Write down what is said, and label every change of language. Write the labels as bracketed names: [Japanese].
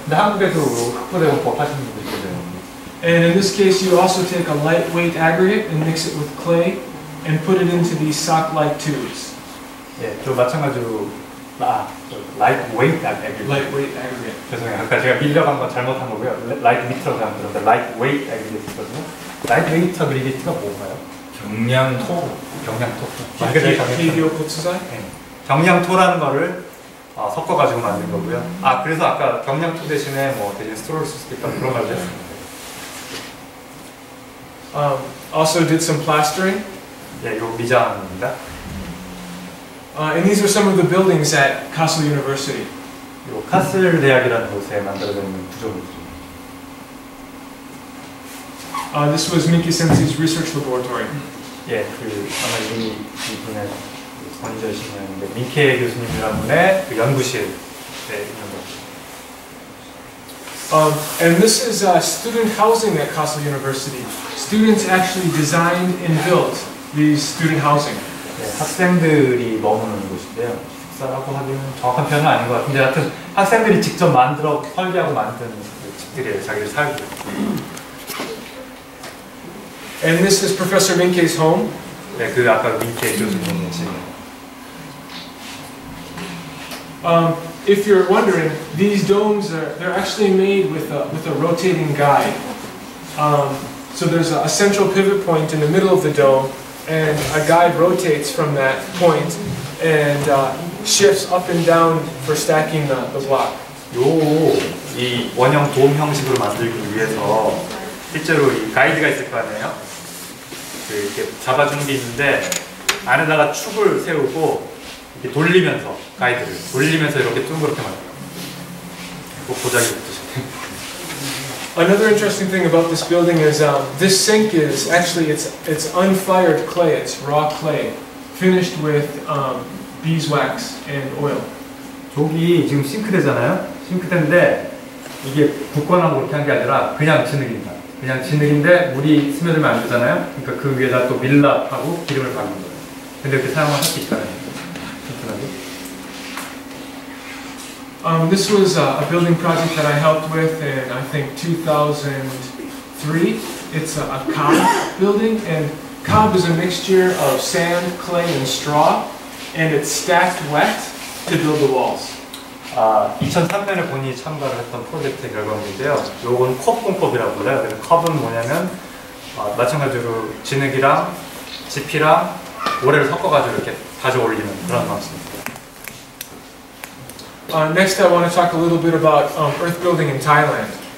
[Korean] 근데 한국에도 흑부대공법 하시는 분들이 계세요. [English] And in this case, you also take a lightweight aggregate and mix it with clay and put it into these sock-like tubes. [Korean] 예, 또 마찬가지로. [English] 라이트웨이트 애그리게이트. [Korean] 라이트웨이트 애그리게이트. 죄송해요. 아까 제가 밀려간 건 잘못한 거고요. 라이트미터라고 하면 되는데 라이트웨이트 애그리게이트거든요. 라이트웨이트 애그리게이트가 뭔가요? 경량토. 경량토. 비디오 코트사이? 네. 경량토라는 거를 섞어가지고 만든 거고요. 아, 그래서 아까 경량토 대신에 뭐 대신 스트로를 쓸 수도 있다 그런 말도 했었는데. [English] Also did some plastering. [Korean] 네, 이거 미장입니다. [English] And these are some of the buildings at Kassel University. [Korean] 요 카슬 대학이라는 곳에 만들어진 구조물이죠. [English] This was Minky Sensei's research laboratory. [Korean] 예, 그 아마 이 분의 선지자이신데 민케 교수님이라는 분의 그 연구실에 있는 거. [English] And this is student housing at Kassel University. Students actually designed and built these student housing. [Korean] 네, 학생들이 머무는 곳인데요. 식사라고 하기는 정확한 표현은 아닌 것 같은데 하여튼 학생들이 직접 만들어 설계하고 만든 집들이에요. 자기를 살고. [English] And this is Professor Minke's home. [Korean] 네, 그 아까 민케 교수님의 집. [English] If you're wondering, these domes they're actually made with a rotating guide. So there's a central pivot point in the middle of the dome. And a guide rotates from that point and shifts up and down for stacking the block. [Korean] 요 이 원형 돔 형식으로 만들기 위해서 실제로 이 가이드가 있을 거 아니에요? 그 이렇게 잡아주는 게 있는데 안에다가 축을 세우고 이렇게 돌리면서 가이드를 돌리면서 이렇게 둥그렇게 만들어요. 꼭 보자기 붙으시네. [English] Another interesting thing about this building is this sink is actually it's unfired clay, it's raw clay, finished with beeswax and oil. [Korean] 저기 지금 싱크대잖아요. 싱크대인데 이게 붓거나 그렇게 한 게 아니라 그냥 진흙입니다. 그냥 진흙인데 물이 스며들면 안 되잖아요. 그러니까 그 위에다 또 밀랍하고 기름을 바른 거예요. 근데 이렇게 사용할 수 있잖아요. [English] This was a building project that I helped with in, I think, 2003. It's a cob building, and cob is a mixture of sand, clay, and straw, and it's stacked wet to build the walls. [Korean] 2003년에 본인이 참가를 했던 프로젝트 결과물인데요. 요건 컵 공법이라고 불러요. 그래서 컵은 뭐냐면, 마찬가지로 진흙이랑 지피랑 모래를 섞어가지고 이렇게 다져 올리는 그런 방식입니다. [English] Next, I want to talk a little bit about earth building in Thailand.